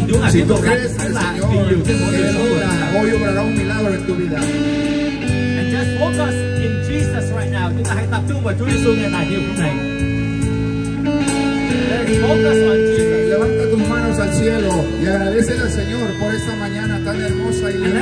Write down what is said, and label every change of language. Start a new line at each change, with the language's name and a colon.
Spanish: Si tú crees en el Señor, él obrará, hoy obrará un milagro en tu vida.
English: And just focus in Jesus right now.
Vietnamese: Chúng ta hãy tập trung vào Chúa Jesus ngày nay như thế này.
English: Focus on Jesus.
Spanish: levanta tus manos al cielo y agradece al Señor por esta mañana tan hermosa y linda.